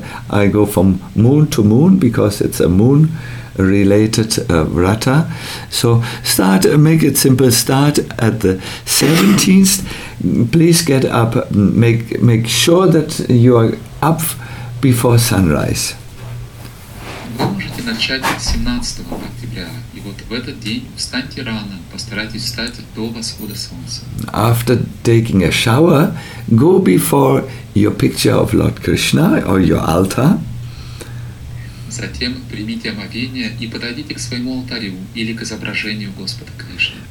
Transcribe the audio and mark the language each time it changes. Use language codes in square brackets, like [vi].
[en] I go from moon to moon because it's a moon related vrata. So start, make it simple, start at the 17th. Please get up, make sure that you are up before sunrise. [ru] Начать 17 октября, и вот в этот день встаньте рано, постарайтесь встать до восхода солнца. [en] After taking a shower, go before your picture of Lord Krishna or your altar. [ru] Затем примите омовение и подойдите к своему алтарю или к изображению Господа Кришны.